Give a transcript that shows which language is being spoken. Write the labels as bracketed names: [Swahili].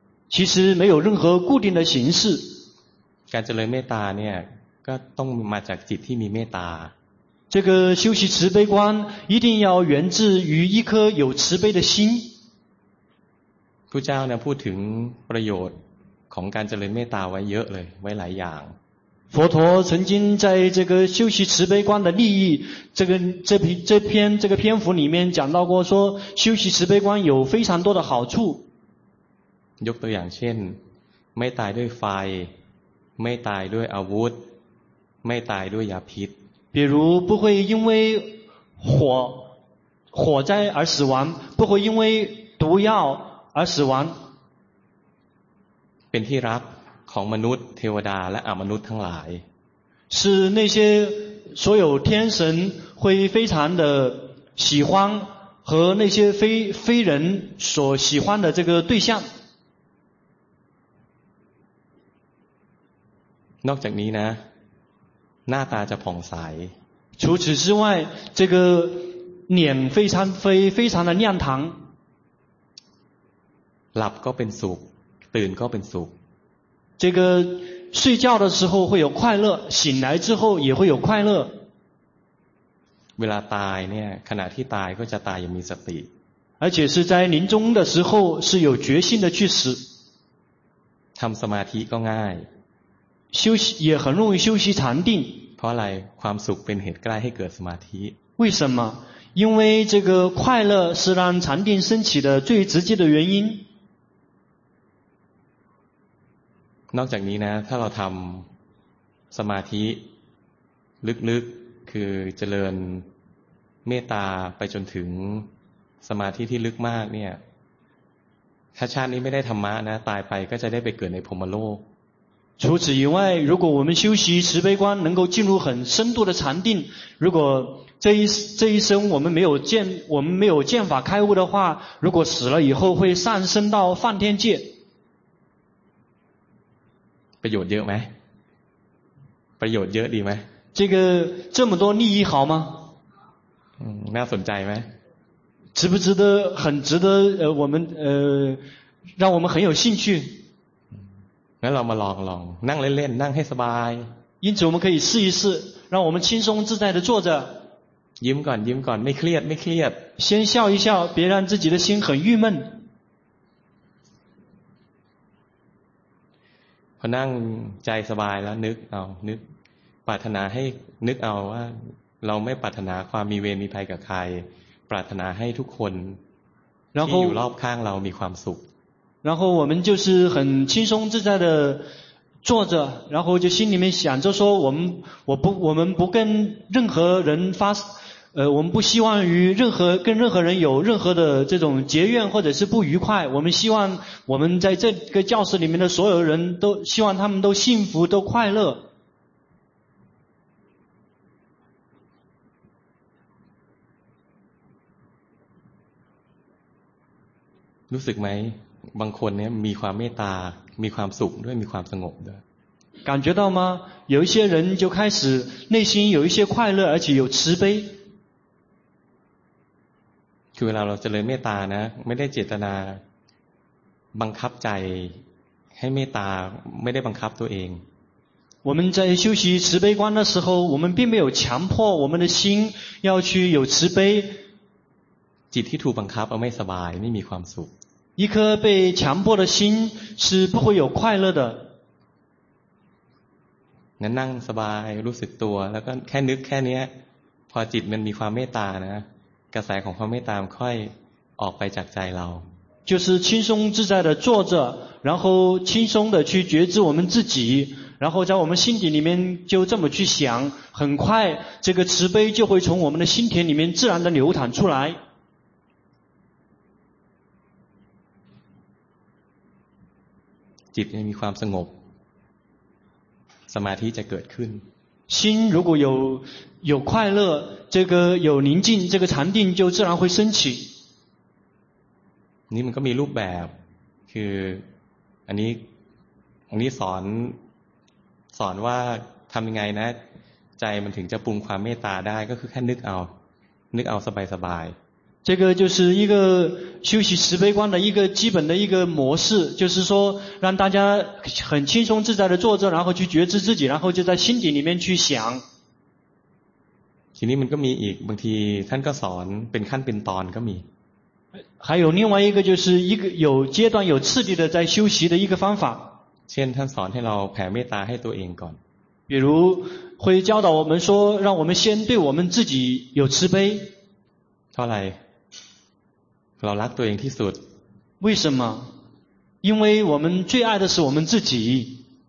[Chinese] 其实没有任何固定的形式 [Thai] การเจริญเมตตาเนี่ยก็ต้องมาจากจิตที่มีเมตตา [Chinese] 这个修习慈悲观一定要源自于一颗有慈悲的心 [Thai] พุทธเจ้าพูดถึงประโยชน์ของการเจริญเมตตาไว้เยอะเลยไว้หลายอย่าง [Chinese] 佛陀曾经在这个修习慈悲观的利益这个这篇这个篇幅里面讲到过，说修习慈悲观有非常多的好处。 [Thai] ยกตัวอย่างเช่นไม่ตายด้วยไฟไม่ตายด้วยอาวุธไม่ตายด้วยยาพิษ [Chinese] 比如不会因为火灾而死亡，不会因为毒药而死亡。 [Thai] เป็นที่รักของมนุษย์เทวดาและอมนุษย์ทั้งหลาย [Chinese] 是那些所有天神会非常的喜欢和那些非人所喜欢的这个对象。 [Thai] นอกจากนี้นะหน้าตาจะผ่องใส [Chinese] 除此之外这个脸非常的亮堂 [Thai] หลับก็เป็นสุขตื่นก็เป็นสุข [Chinese] 这个睡觉的时候会有快乐醒来之后也会有快乐 [Thai] เวลาตายเนี่ยขณะที่ตายก็จะตายอย่างมีสติ [Chinese] 而且是在临终的时候是有决心的去死 [Thai] ทำสมาธิก็ง่าย [Chinese] 休息也很容易休息禅定 [Thai] เพราะอะไรความสุขเป็นเหตุใกล้ให้เกิดสมาธิ [Chinese] 为什么因为这个快乐是让禅定升起的最直接的原因 [Thai] นอกจากนี้นะถ้าเราทำสมาธิลึกๆคือเจริญเมตตาไปจนถึงสมาธิที่ลึกมากเนี่ยถ้าชาตินี้ไม่ได้ธรรมะนะตายไปก็จะได้ไปเกิดในพรหมโลก [Chinese] 除此以外如果我们修习慈悲观能够进入很深度的禅定如果这一生我们没有见法开悟的话如果死了以后会上升到梵天界 [Thai] ประโยชน์เยอะไหมประโยชน์เยอะดีไหม [Chinese] 这个这么多利益好吗 [Thai] น่าสนใจไหม [Chinese] 值不值得很值得我们让我们很有兴趣 [Thai] งั้นเรามาลองนั่งเล่นๆนั่งให้สบาย [Chinese] 因此我们可以试一试让我们轻松自在地坐着 [Thai] ยิ้มก่อนยิ้มก่อนไม่เครียด [Chinese] 先笑一笑别让自己的心很郁闷 [Thai] พอนั่งใจสบายแล้วนึกปรารถนาให้นึกเอาว่าเราไม่ปรารถนาความมีเวรมีภัยกับใครปรารถนาให้ทุกคนที่อยู่รอบข้างเรามีความสุข [Chinese] 然后我们就是很轻松自在的坐着然后就心里面想着说我们不跟任何人发我们不希望与任何跟任何人有任何的这种结怨或者是不愉快我们希望我们在这个教室里面的所有人都希望他们都幸福都快乐 [Thai] รู้สึกไหมบางคนเนี่ยมีความเมตตามีความสุขด้วยมีความสงบด้วย [Chinese] 感觉到吗有一些人就开始内心有一些快乐而且有慈悲 [Thai] คือเวลาเราเจริญเมตตานะไม่ได้เจตนาบังคับใจให้เมตตาไม่ได้บังคับตัวเอง [Chinese] 我们在修习慈悲观的时候我们并没有强迫我们的心要去有慈悲 [Thai] จิตที่ถูกบังคับไม่สบายไม่มีความสุข [Chinese] 一颗被强迫的心是不会有快乐的 [Thai] งั้นนั่งสบายรู้สึกตัวแล้วก็แค่นึกแค่นี้พอจิตมันมีความเมตตานะกระแสของความเมตตาค่อยออกไปจากใจเรา [Chinese] 就是轻松自在的坐着然后轻松的去觉知我们自己然后在我们心底里面就这么去想很快这个慈悲就会从我们的心田里面自然的流淌出来 [Thai] จิตมีความสงบสมาธิจะเกิดขึ้น [Chinese] 心如果有快乐这个有宁静这个禅定就自然会升起 [Thai] นี่มันก็มีรูปแบบคืออันนี้สอนว่าทำยังไงนะใจมันถึงจะปรุงความเมตตาได้ก็คือแค่นึกเอาสบาย [Chinese] 这个就是一个修习慈悲观的一个基本的一个模式就是说让大家很轻松自在的坐着然后去觉知自己然后就在心底里面去想 [Thai] ทีนี้มันก็มีอีกบางทีท่านก็สอนเป็นขั้นเป็นตอนก็มี [Chinese] 还有另外一个就是一个有阶段有次第的在修习的一个方法 [Thai] เช่นท่านสอนให้เราแผ่เมตตาให้ตัวเองก่อน [Chinese] 比如会教导我们说让我们先对我们自己有慈悲 [Thai] เท่าไหร่เรารักตัวเองที่สุด [Chinese] 为什么因为我们最爱的是我们自己